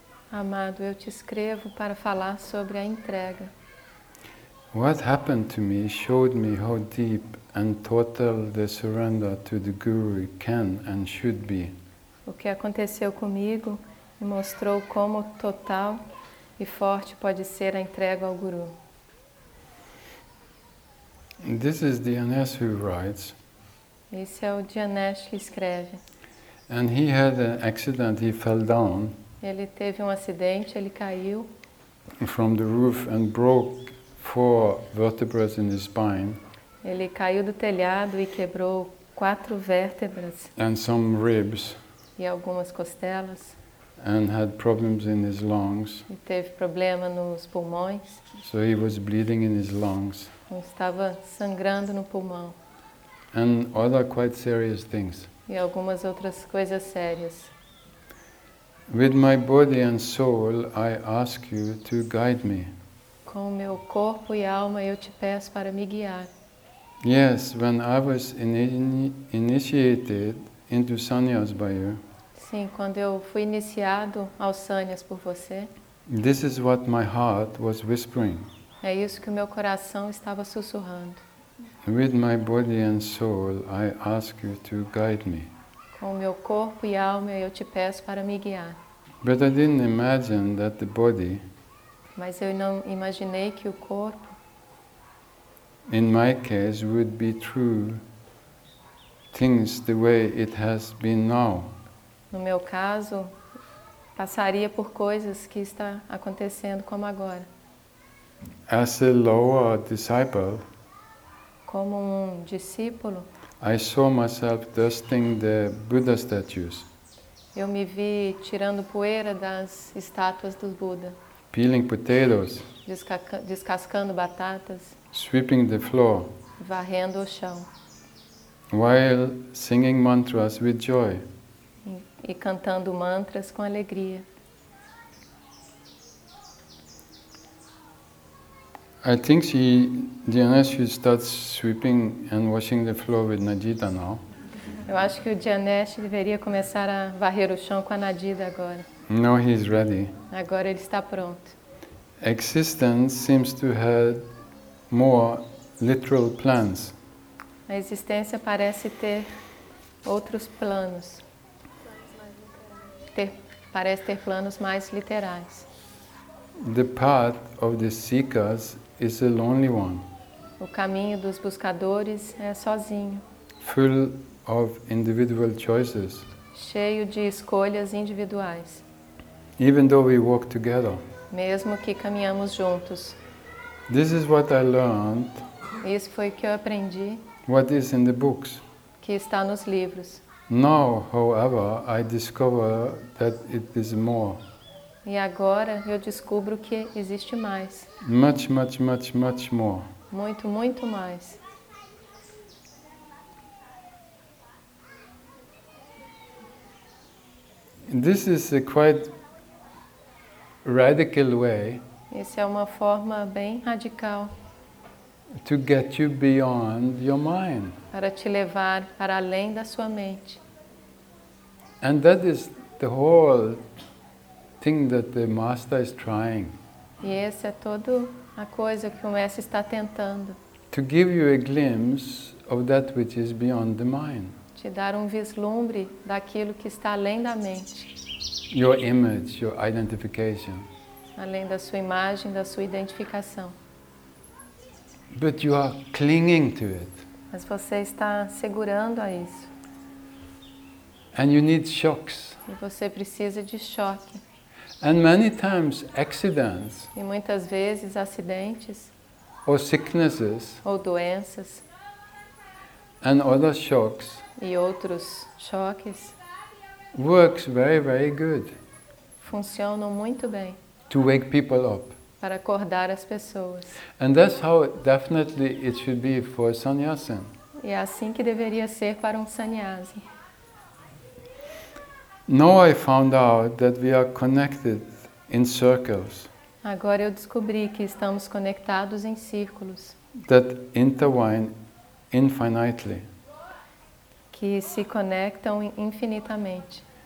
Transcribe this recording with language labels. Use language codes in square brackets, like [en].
[pt] Amado, eu te escrevo para falar sobre a entrega. [en] What happened to me showed me how deep and total the surrender to the Guru can and should be. [pt] O que aconteceu comigo me mostrou como total e forte pode ser a entrega ao Guru. [en] This is Dhyanesh who writes. [pt] Esse é o Dhyanesh que escreve. [en] And he had an accident, he fell down. [pt] Ele teve um acidente, ele caiu. [en] From the roof and broke 4 vertebrae in his spine. [pt] Ele caiu do telhado e quebrou 4 vértebras. [en] And some ribs. [pt] E algumas costelas. [en] And had problems in his lungs. [pt] E teve problema nos pulmões. [en] So he was bleeding in his lungs. [pt] Estava sangrando no pulmão. [en] And other quite serious things. [pt] E algumas outras coisas sérias. [en] With my body and soul, I ask you to guide me. [pt] Com meu corpo e alma, eu te peço para me guiar. [en] Yes, when I was initiated into sannyas by you. [pt] Sim, quando eu fui iniciado aos sannyas por você. [en] This is what my heart was whispering. [pt] É isso que o meu coração estava sussurrando. [en] With my body and soul, I ask you to guide me. [pt] Com meu corpo e alma, eu te peço para me guiar. [en] But I didn't imagine that the body. [pt] Mas eu não imaginei que o corpo. [en] In my case, would be true. Things the way it has been now. [pt] No meu caso, passaria por coisas que está acontecendo como agora. [en] As a lower disciple. [pt] Como um discípulo. [en] I saw myself dusting the Buddha statues. [pt] Eu me vi tirando poeira das estátuas do Buda. [en] Peeling potatoes. [pt] Descascando batatas. [en] Sweeping the floor. [pt] Varrendo o chão. [en] While singing mantras with joy. [pt] E cantando mantras com alegria. [en] I think she, Dhyanesh, should start sweeping and washing the floor with Nadita now. [pt] Eu acho que o Dhyanesh deveria começar a varrer o chão com a Nadita agora. [en] Now he is ready. [pt] Agora ele está pronto. [en] Existence seems to have more literal plans. [pt] A existência parece ter outros planos. Parece ter planos mais literais. [en] The path of the seekers is a lonely one. [pt] O caminho dos buscadores é sozinho. [en] Full of individual choices. [pt] Cheio de escolhas individuais. [en] Even though we walk together. [pt] Mesmo que caminhamos juntos. [en] This is what I learned. [pt] Isso foi o que eu aprendi. [en] What is in the books. [pt] Que está nos livros. [en] Now, however, I discover that it is more. [pt] E agora eu descubro que existe mais. [en] Much, much, much, much more. [pt] Muito, muito mais. [en] This is a quite radical way. [pt] Essa é uma forma bem radical. [en] To get you beyond your mind. [pt] Para te levar para além da sua mente. [en] And that is the whole thing that the master is trying. [pt] E essa é toda a coisa que o mestre está tentando. [en] To give you a glimpse of that which is beyond the mind. [pt] Te dar um vislumbre daquilo que está além da mente. [en] Your image, your identification. [pt] Além da sua imagem, da sua identificação. [en] But you are clinging to it. [pt] Mas você está segurando a isso. [en] And you need shocks. [pt] E você precisa de choque. [en] And many times accidents. [pt] E muitas vezes acidentes. [en] Or sicknesses. [pt] Ou doenças. [en] And other shocks. [pt] E outros choques. [en] Works very, very good. [pt] Funcionam muito bem. [en] To wake people up. [pt] Para acordar as pessoas. [en] And that's how definitely it should be for a sannyasin. [pt] E é assim que deveria ser para um sannyasi. [en] Now I found out that we are connected in circles. [pt] Agora eu descobri que estamos conectados em círculos. [en] That intertwine infinitely. [pt] Que se conectam infinitamente.